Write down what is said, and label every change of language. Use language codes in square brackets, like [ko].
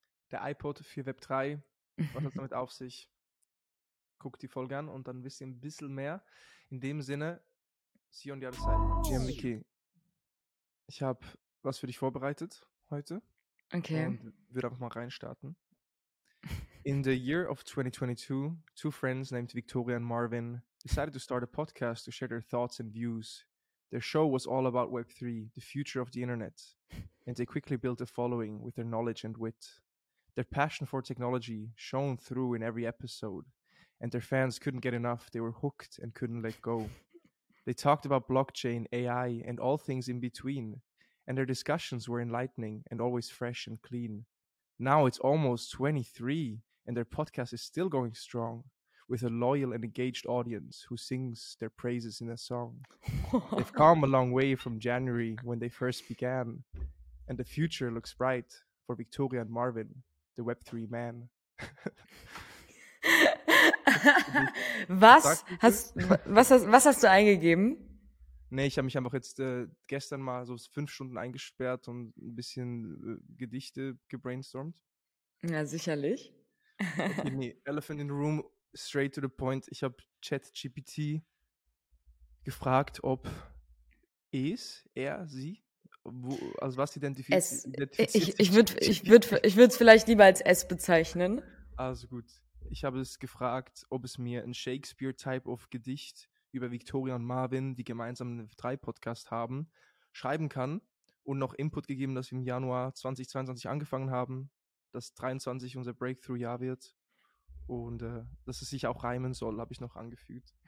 [de] Der iPod für Web3, was hat damit auf sich? Guckt die Folge an und dann wisst ihr ein bisschen mehr. In dem Sinne, [en] see you on the other side. [de] Ja, Vicky, ich habe was für dich vorbereitet heute. Okay. Und würde einfach mal reinstarten. [en] In the year of 2022, two friends named Victoria and Marvin decided to start a podcast to share their thoughts and views. Their show was all about Web3, the future of the internet, and they quickly built a following with their knowledge and wit. Their passion for technology shone through in every episode, and their fans couldn't get enough. They were hooked and couldn't let go. They talked about blockchain, AI, and all things in between, and their discussions were enlightening and always fresh and clean. Now it's almost 23, and their podcast is still going strong, with a loyal and engaged audience who sings their praises in a song. They've come a long way from January when they first began, and the future looks bright for Victoria and Marvin, the Web3 man. [de] Was hast du eingegeben? Nee, ich habe mich einfach jetzt gestern mal so 5 Stunden eingesperrt und ein bisschen Gedichte gebrainstormt. Ja, sicherlich. [en] Okay, nee, Elephant in the Room, straight to the point. [de] Ich habe ChatGPT gefragt, ob was identifiziert. Ich würde es vielleicht lieber als S bezeichnen. Also gut. Ich habe es gefragt, ob es mir ein Shakespeare-Type of Gedicht über Victoria und Marvin, die gemeinsam einen Web3-Podcast haben, schreiben kann und noch Input gegeben, dass wir im Januar 2022 angefangen haben, dass 2023 unser Breakthrough-Jahr wird und dass es sich auch reimen soll, habe ich noch angefügt.